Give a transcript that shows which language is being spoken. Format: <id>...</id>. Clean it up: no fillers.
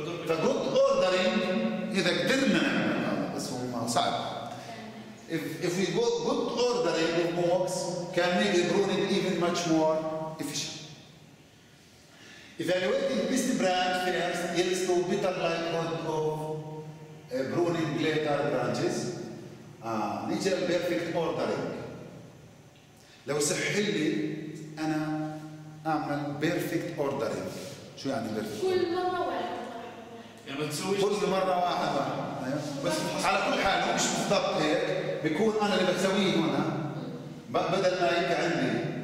<ar>فجود اوردرينج اذا قدرنا بس هو صعب.</ar> <en>If we go good ordering of moves, can maybe run it even much more efficient. Evaluating this branch first yields to better likelihood of pruning later branches.</en> <ar>نيجي</ar> <en>perfect ordering.</en> <ar>لو سمح لي أنا أعمل</ar> <en>perfect ordering.</en> <ar>شو يعني perfect؟ كل مرة واحدة. يعني كل مرة واحدة. بس على كل حال مش بالضبط هيك. بيكون انا اللي بسويه هنا بدل ما يبقى عندي</ar>